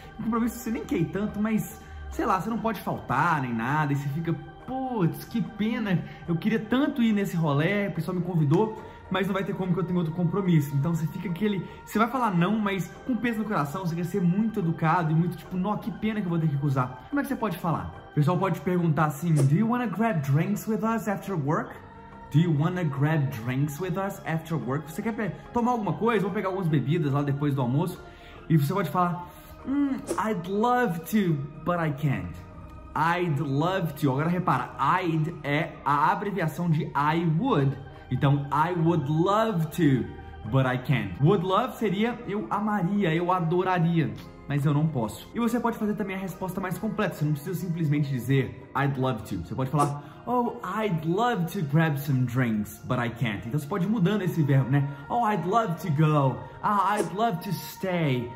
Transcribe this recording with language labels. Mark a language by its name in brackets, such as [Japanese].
[Portuguese] Um compromisso que você nem quer ir tanto, mas, sei lá, você não pode faltar nem nada e você fica... Putz, que pena, eu queria tanto ir nesse rolê, o pessoal me convidou, mas não vai ter como que eu tenho outro compromisso. Então você fica aquele, você vai falar não, mas com peso no coração, você quer ser muito educado e muito tipo, nó, que pena que eu vou ter que recusar. Como é que você pode falar? O pessoal pode perguntar assim, [English] do you wanna grab drinks with us after work? Do you wanna grab drinks with us after work? [Portuguese] Você quer tomar alguma coisa? Vou pegar algumas bebidas lá depois do almoço. E você pode falar, [English] I'd love to, but I can't. I'd love to. [Portuguese] Agora repara, I'd é a abreviação de I would. [English] Então, I would love to, but I can't. [Portuguese] Would love seria eu amaria, eu adoraria, mas eu não posso. E você pode fazer também a resposta mais completa. Você não precisa simplesmente dizer [English] I'd love to. [Portuguese] Você pode falar, [English] oh, I'd love to grab some drinks, but I can't. [Portuguese] Então, você pode ir mudando esse verbo, né? [English] Oh, I'd love to go. Ah, I'd love to stay.